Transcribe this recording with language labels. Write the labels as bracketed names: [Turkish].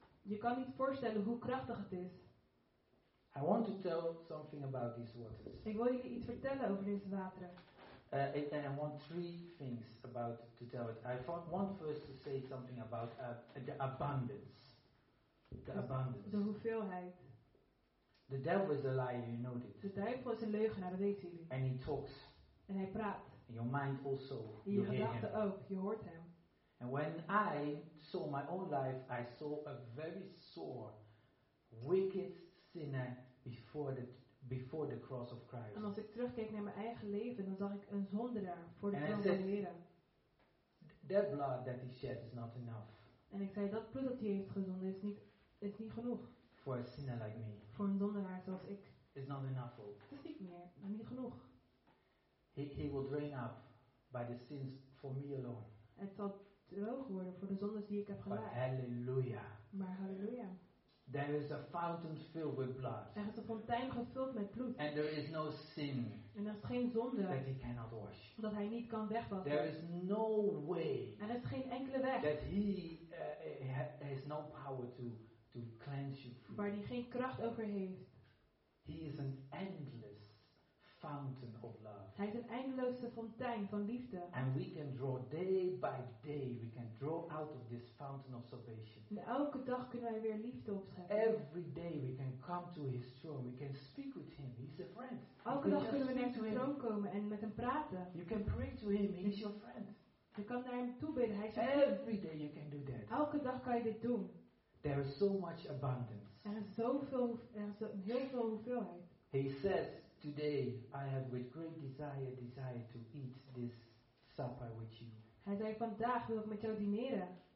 [Dutch] Je kan niet voorstellen hoe krachtig het is. [English] I want to tell something about these waters. [Dutch] Ik wil jullie iets vertellen over deze wateren. [English] And I want three things about to tell it. I want first to say something about the abundance. Abundance. [Dutch] De hoeveelheid. [English] The devil is a liar, you know this. [Dutch] De duivel is een leugenaar, dat weten jullie. [English] And he talks. [Dutch] En hij praat. [English] Your mind also. [Dutch] In je gedachten ook. Je hoort hem. [English] And when I saw my own life, I saw a very sore, wicked sinner before the cross of Christ. [Dutch] En als ik terugkeek naar mijn eigen leven, dan zag ik een zondaar voor de kroon van de Heer. [English] That blood that he shed is not enough. [Dutch] En ik zei, dat bloed dat hij heeft gezonden is niet genoeg. [English] For a sinner like me. [Dutch] Voor een zondaar zoals ik. [English] Is not enough. Hope. [Dutch] Het is niet meer, maar niet genoeg. [English] He will drain up by the sins for me alone. [Dutch] Het zal droog worden voor de zondes die ik heb gemaakt. Hallelujah. Maar halleluja. [English] There is a fountain filled with blood. [Dutch] Er is een fontein gevuld met bloed. [English] And there is no sin. [Dutch] En er is geen zonde. [English] That he cannot wash. [Dutch] Dat hij niet kan wegwassen. [English] There is no way. [Dutch] Er is geen enkele weg. [English] That he has no power to cleanse you. [Dutch] Waar hij geen kracht over heeft. [English] He is an endless. Fountain of love. [Dutch] Hij is een eindeloze fontein van liefde. [English] And we can draw day by day, we can draw out of this fountain of salvation. [Dutch] En elke dag kunnen wij weer liefde opscheppen. [English] Every day we can come to his throne, we can speak with him. He's a friend. [Dutch] Elke dag kunnen we naar zijn troon komen en met hem praten. [English] You can pray to him. He's your friend. Je kan naar hem toe bidden. [Dutch] Hij is [English] every day you can do that. [Dutch] Elke dag kan je dit doen. [English] There is so much abundance. [Dutch] Er is heel veel hoeveelheid. [English] He says. Today I have with great desire to eat this supper with you. [Dutch] Hij zei vandaag wil ik met jou dineren.